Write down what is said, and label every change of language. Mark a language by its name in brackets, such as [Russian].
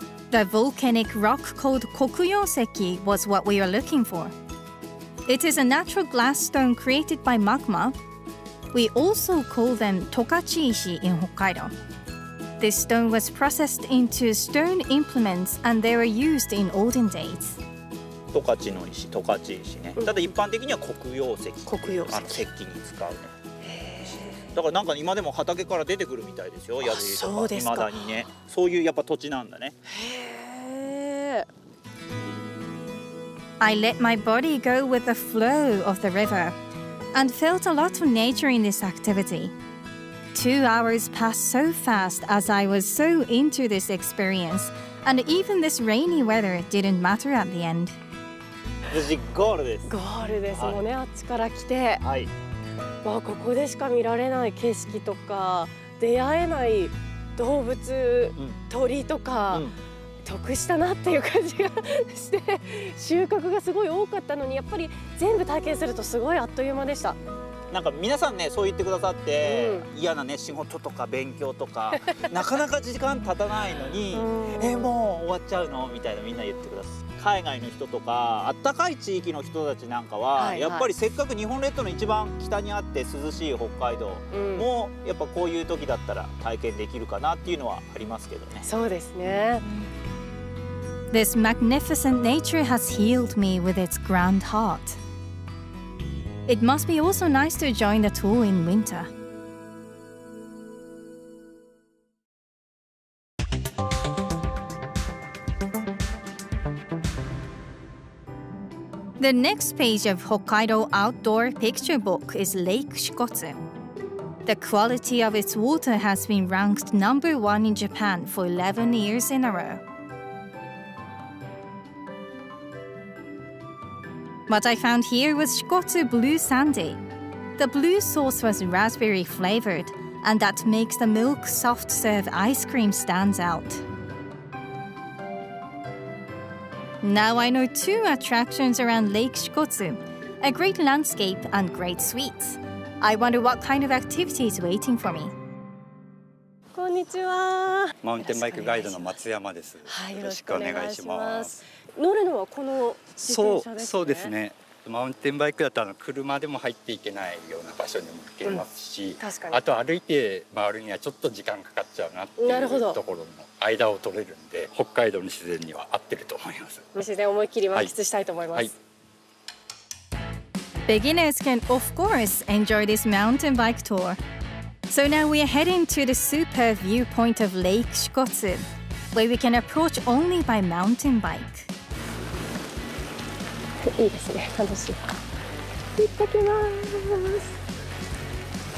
[English] The volcanic rock called Kokuyoseki was what we were looking for. It is a natural glass stone created by magma. We also call them Tokachi Ishi in Hokkaido. This stone was processed into stone implements and they were used in olden days. [Japanese] Tokachi no Ishi, Tokachi Ishi ね。ただ一般的には黒曜石。黒曜石。あの石器に使うね。だからなんか今でも畑から出てくるみたいですよ。やじりとか。未だにね。そういうやっぱ土地なんだね。へ [English] ー。I let my body go with the flow of the river. And felt a lot of nature in this activity. 2 hours passed so fast as I was so into this experience, and even this rainy weather didn't matter at the end. This is [Japanese] ゴールです。ゴールです。もうね、あっちから来て、はい。まあここでしか見られない景色とか、出会えない動物、鳥とか、得したなっていう感じがして収穫がすごい多かったのにやっぱり全部体験するとすごいあっという間でした。なんか皆さんねそう言ってくださって、嫌なね仕事とか勉強とかなかなか時間経たないのにもう終わっちゃうのみたいなみんな言ってください。海外の人とかあったかい地域の人たちなんかは、やっぱりせっかく日本列島の一番北にあって涼しい北海道も、やっぱこういう時だったら体験できるかなっていうのはありますけどね。そうですね。 [English] This magnificent nature has healed me with its grand heart. It must be also nice to join the tour in winter. The next page of Hokkaido Outdoor Picture Book is Lake Shikotsu. The quality of its water has been ranked number one in Japan for 11 years in a row. What I found here was Shikotsu Blue Sandy. The blue sauce was raspberry flavored, and that makes the milk soft serve ice cream stands out. Now I know two attractions around Lake Shikotsu, a great landscape and great sweets. I wonder what kind of activity is waiting for me. [Japanese] こんにちは。マウンテンバイクガイドの松山です。よろしくお願いします。乗るのはこの自転車ですね。そうですね。マウンテンバイクだと車でも入っていけないような場所にも行けますし、確かに。あと歩いて回るにはちょっと時間かかっちゃうなっていうところの間を取れるんで、北海道の自然には合ってると思います。自然思いっきり満喫したいと思います。はいはい、 [English] Beginners can of course enjoy this mountain bike tour. So now we are heading to the super viewpoint of Lake Shikotsu, where we can approach only by mountain bike. [Japanese] いいですね、楽しい。行ってきます。